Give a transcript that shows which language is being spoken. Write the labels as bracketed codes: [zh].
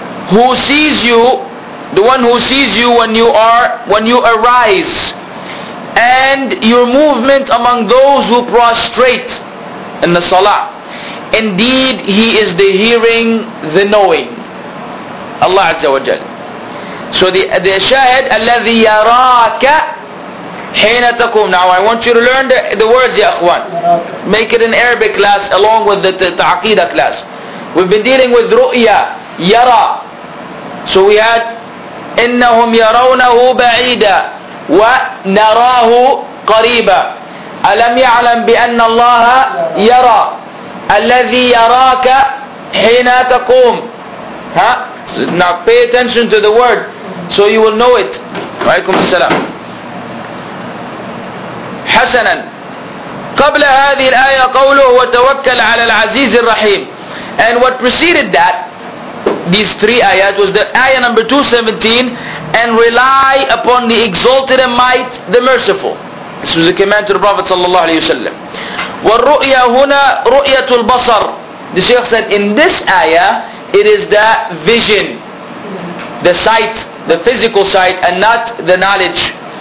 [en] Who sees you, the one who sees you when you arise, and your movement among those who prostrate in the salah. Indeed, he is the hearing, the knowing. Allah Azza wa Jal. So the shahid, [ar] الَّذِي يَرَاكَ حِينَ تَقُومُ. [en] Now I want you to learn the words, ya akhwan. Make it an Arabic class along with the ta'aqidah class. We've been dealing with ru'ya, yara. So we had, [ar] إِنَّهُمْ يَرَوْنَهُ بَعِيدًا وَنَرَاهُ قَرِيبًا أَلَمْ يَعْلَمْ بِأَنَّ اللَّهَ يَرَى الَّذِي يَرَاكَ حِينَ تَقُومُ. Huh? [en] Now pay attention to the word so you will know it. [ar] وعليكم السلام. حسنا. قبل هذه الآية قوله وتوكل على العزيز الرحيم. [en] And what preceded that, these three ayahs, was the ayah number 217, and rely upon the exalted and might, the merciful. This was a command to the Prophet sallallahu alayhi wa sallam. [ar] وَالرُؤْيَا هُنَا رُؤْيَةُ الْبَصَرِ. [en] The Shaykh said, in this ayah, it is the vision, the sight, the physical sight, and not the knowledge.